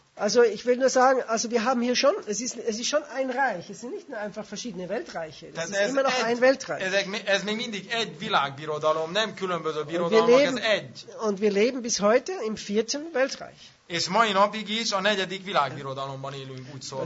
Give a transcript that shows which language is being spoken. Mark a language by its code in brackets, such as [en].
[de] Also ich will nur sagen, also wir haben hier schon, es ist schon ein Reich, es sind nicht nur einfach verschiedene Weltreiche, es ist immer noch ein Weltreich. [hu] Ez még mindig egy világbirodalom, nem különböző birodalom, ez egy. [de] Und wir leben bis heute im vierten Weltreich. [hu] És mai napig is a negyedik világbirodalomban élünk, úgy szóval.